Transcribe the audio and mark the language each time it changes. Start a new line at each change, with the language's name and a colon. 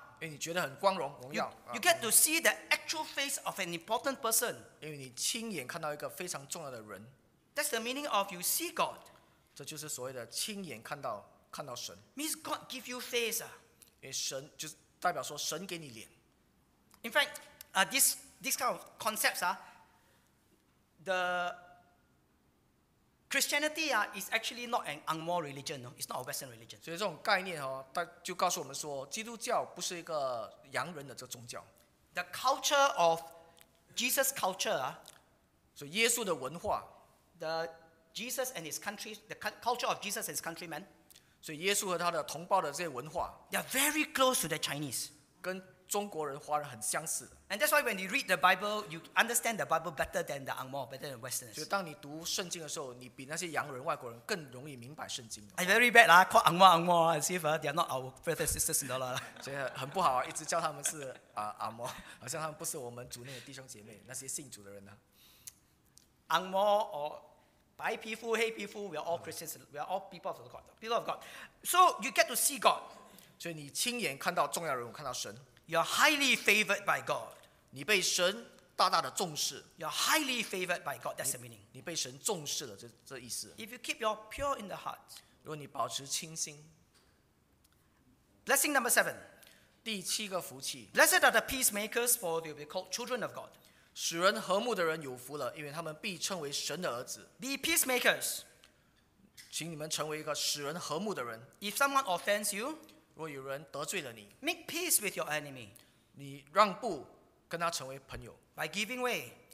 Chinese: 因为你觉得很光荣荣耀
English: you get to see the actual face of an important person
Chinese: 因为你亲眼看到一个非常重要的人
English: That's the meaning of you see God
Chinese: 这就是所谓的亲眼看到神
English: Means God give you face
Chinese: 因为神就代表说神给你脸
English: In fact this kind of concepts, the Christianity, is actually not an Angmo religion, no? It's not a Western religion.
Chinese: 所以这种概念哦，它就告诉我们说，基督教不是一个洋人的这个宗教。
English: The culture of Jesus culture,
Chinese: 所以耶稣的文化。
English: The Jesus and his country, the culture of Jesus and his countrymen.
Chinese: 所以耶稣和他的同胞的这些文化。
English: They are very close to the Chinese.
Chinese: 跟中国人、华人很相似。
English: And that's why when you read the Bible, you understand the Bible better than the Angmo, better than Westerners.
Chinese: 所以当你读圣经的时候，你比那些洋人、外国人更容易明白圣经。
English: I very bad lah, call Angmo, as if they are not our brothers and sisters in the Lord.
Chinese: 所以很不好啊，一直叫他们是Angmo，好像他们不是我们族内的弟兄姐妹，那些信主的人呢。
English: Angmo or
Chinese: 白皮肤、黑皮肤
English: ，we are all Christians, we are all people of God, people of God. So you get to see God.
Chinese: 所以你亲眼看到重要人物，看到神。
English: You're highly favored by God.
Chinese: 你被神大大的重视。
English: You're highly favored by God. That's the meaning.
Chinese: 你被神重视了，这意思。
English: If you keep your pure in the heart.
Chinese: 如果你保持清心。
English: Blessing number seven.
Chinese: 第七个福气。
English: Blessed are the peacemakers, for they will be called children of God.
Chinese: 使人和睦的人有福了，因为他们必称为神的儿子。
English: Be peacemakers.
Chinese: 请你们成为一个使人和睦的人。
English: If someone offends you.
Chinese: 如果有人得罪了你
English: ，make peace with your enemy，
Chinese: 你让步跟他成为朋友
English: ，by giving way，